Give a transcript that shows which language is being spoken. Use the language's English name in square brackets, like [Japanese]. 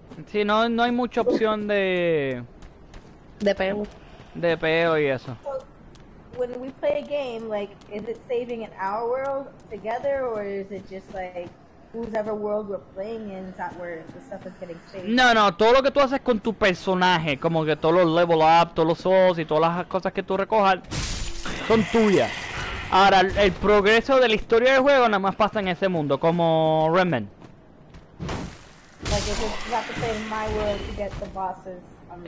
[Spanish] Sí, no hay mucha opción de... De pelo. De pelo y eso. [English] When we play a game, like, is it saving in our world together, or is it just like... Whosever world we're playing in is that where the stuff is getting saved. [Spanish] No, todo lo que tú haces con tu personaje, como que todos los level up, todos los souls y todas las cosas que tú recojas, son tuyas. Ahora, el progreso de la historia del juego nada más pasa en ese mundo, como Remnant. [English] Like, you have to play in my world to get the bosses unlocked.